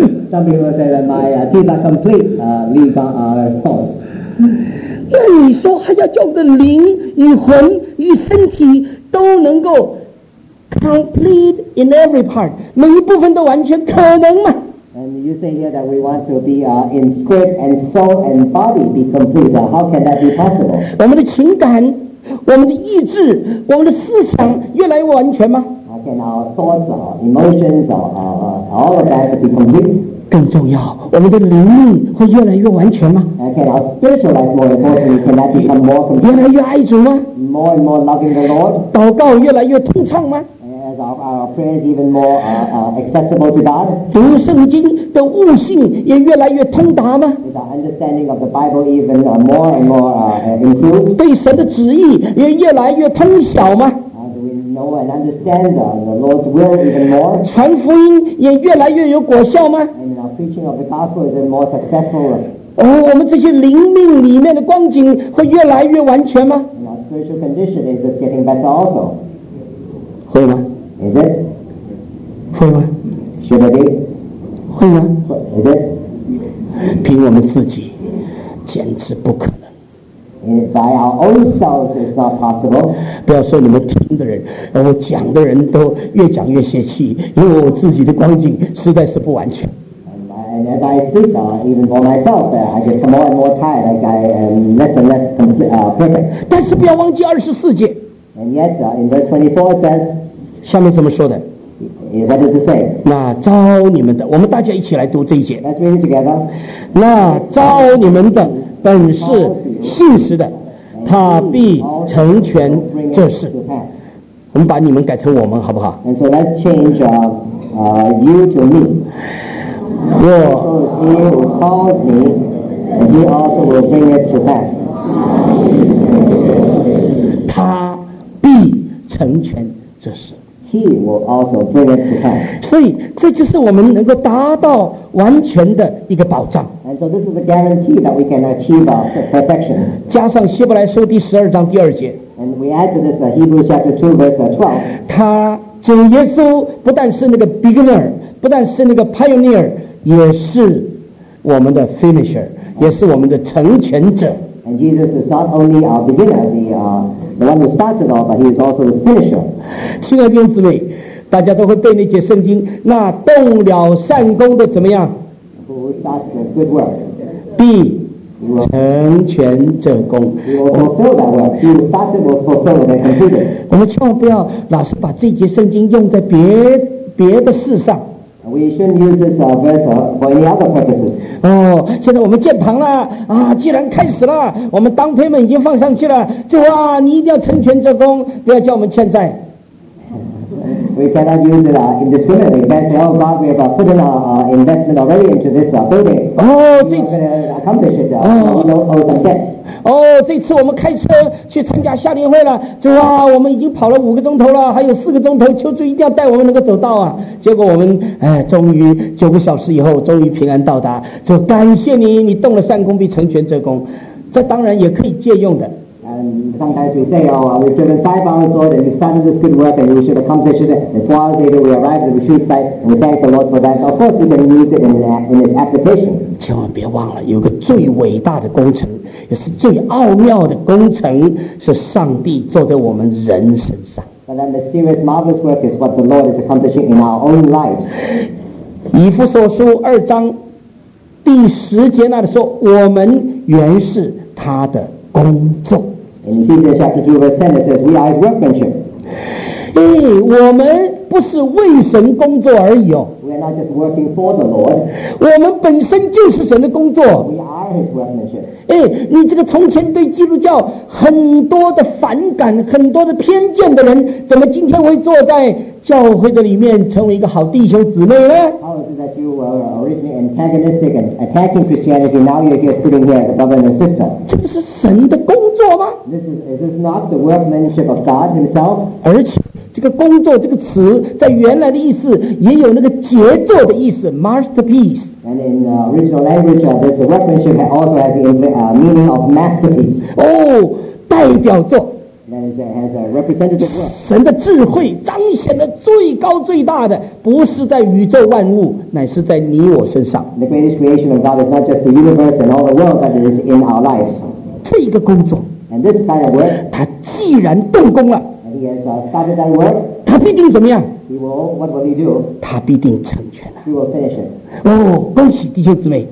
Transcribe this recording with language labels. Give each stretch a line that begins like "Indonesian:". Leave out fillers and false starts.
English: Some people say that my teeth are completely false.
Chinese: 那你说还要叫我的灵与魂与身体都能够
English: complete in every part，
Chinese: 每一部分都完全，可能吗？
English: And you say here that we want to be in spirit and soul and body be complete. How can that be possible?
Chinese: 我们的情感、我们的意志、我们的思想越来越完全吗？
English: How can our thoughts, our emotions, all of that be complete?
Chinese: 更重要，我们的灵命会越来越完全吗？
English: Can our spiritual life more importantly, can that become more complete?
Chinese: 越来越爱主吗？
English: More and more loving the Lord.
Chinese: 祷告越来越通畅吗？
English: Our prayers even more accessible to God.
Chinese: 读圣经的悟性也越来越通达吗？
English: Is our understanding of the Bible even more and more improved?
Chinese: 对神的旨意也越来越通晓吗？
English: Do we know and understand the Lord's will even more?
Chinese: 传福音也越来越有果效吗？
English: And our preaching of the gospel is even more successful.
Chinese: 我们这些灵命里面的光景会越来越完全吗？
English: Our spiritual condition is getting better also.
Chinese: 会吗？
English: Is it?
Chinese: 会吗？
English: Should it be?
Chinese: 会吗？
English: Is it?
Chinese: 凭我们自己，简直不可能。
English: By our own selves, it's not possible.
Chinese: 不要说你们听的人，我讲的人都越讲越泄气，因为我自己的光景实在是不完全。
English: And as I speak, even for myself, I get more and more tired. Like I am less and less complete, perfect.
Chinese: 但是不要忘记二十四节。
English: And yet, in verse 24, it says.
Chinese: 下面怎么说的？
English: What does it say?
Chinese: 那招你们的，我们大家一起来读这一节。
English: Let's read it together.
Chinese: 那招你们的本是信实的，他必成全这事。我们把你们改成我们好不好？
English: And so let's change you to me. He who calls me, he also will bring it to pass.
Chinese: 他必成全这事。
English: He will also bring it to pass.
Chinese: 所以这就是我们能够达到完全的一个保障。
English: And so this is the guarantee that we can achieve our perfection.
Chinese: 加上希伯来书第十二章第二节。
English: And we add to this Hebrews chapter 2 verse 12.
Chinese: 他主耶稣不但是那个 beginner， 不但是那个 pioneer， 也是我们的 finisher， 也是我们的成全者。
English: And Jesus is not only our beginner, the one who started all, but he is also the finisher.
Chinese: 亲爱的弟兄姊妹，大家都会背那节圣经，那动了善功的怎么样？
English: Who starts a good work?
Chinese: 必成全这功。
English: He will fulfill that work. He who starts it will fulfill it and complete it.
Chinese: 我们千万不要老是把这节圣经用在别的事上。
English: We shouldn't use this verse for any other purposes.
Chinese: 现在我们建堂了啊！既然开始了，我们当配们已经放上去了。主啊，你一定要成全这功，不要叫我们欠债。
English: We cannot use it indiscriminately. We can't say, "Oh God, we have put in our investment already into this building." Oh, we're going to accomplish it. We owe some debts.
Chinese: 哦，这次我们开车去参加夏令会了，主啊，我们已经跑了5个钟头了，还有4个钟头，求主一定要带我们能够走到啊。结果我们终于9个小时以后终于平安到达，主感谢你，你动了善功必成全这功。这当然也可以借用的。
English: Sometimes we say, oh, we've driven 5 hours Lord and we've started this good work and we should accomplish it. And 4 hours later we arrived at the shoot site and we thank the Lord for that. Of course we can use it in its application.
Chinese: 千万别忘了，有个最伟大的工程，也是最奥妙的工程，是上帝做在我们人身上。
English: But then the mysterious marvelous work is what the Lord is accomplishing in our own lives.
Chinese: 以弗所书2章第10节那里说，我们原是他的工作。
English: In Ephesians chapter 2 verse 10 it says we are his workmanship.
Chinese: 我们不是为神工作而已哦。
English: We are not just working for the Lord.
Chinese: 我们本身就是神的工作。
English: We are his workmanship.
Chinese: 你这个从前对基督教很多的反感、很多的偏见的人，怎么今天会坐在教会的里面成为一个好弟兄姊妹呢？
English: How is it that you were originally antagonistic and attacking Christianity, now you're here sitting here as a brother and a sister?
Chinese: 这不是神的工作吗？
English: Is this not the workmanship of God himself?
Chinese: 而且这个工作这个词在原来的意思也有那个杰作的意思 masterpiece。
English: And in the original language of this, the workmanship also has the meaning of masterpiece.
Chinese: 代表作。
English: As a representative work.
Chinese: 神的智慧彰显了最高最大的，不是在宇宙万物，乃是在你我身上。
English: The greatest creation of God is not just the universe and all the world, but it is in our lives.
Chinese: 这个工作
English: And this kind of work,
Chinese: 他既然动工了
English: And he has started that work,
Chinese: 他必定怎么样？
English: He will, what will he do?
Chinese: 他必定成全了。
English: He will finish it.
Chinese: 恭喜弟兄姊妹。